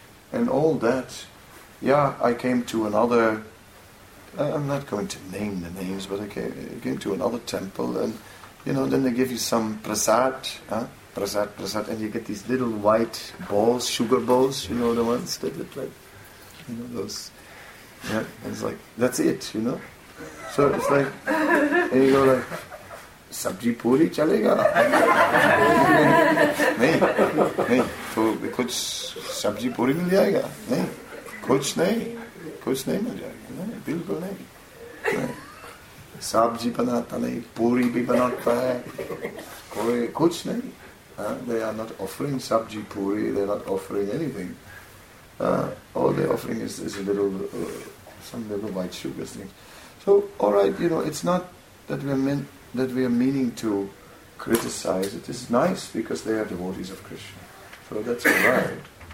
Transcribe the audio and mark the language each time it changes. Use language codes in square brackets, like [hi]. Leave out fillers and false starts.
[en] And all that, I came to another, I'm not going to name the names, but I came to another temple, and, you know, then they give you some prasad, and you get these little white balls, sugar balls, you know, the ones that look like, you know, those. And it's like, that's it, you know? So it's like, and you go like, [hi] sabji puri chalega. नहीं, तो कुछ सब्जी पूरी मिल जाएगा. कुछ नहीं मिल जाएगा. नहीं, बिल्कुल नहीं. सब्जी बनाता नहीं, पूरी भी बनाता है. कुछ नहीं. [en] They are not offering sabji puri, they're not offering anything. All they're offering is a little, some little white sugar thing. So, all right, you know, it's not that we are meaning to criticize it. It's nice because they are devotees of Krishna. So that's all right.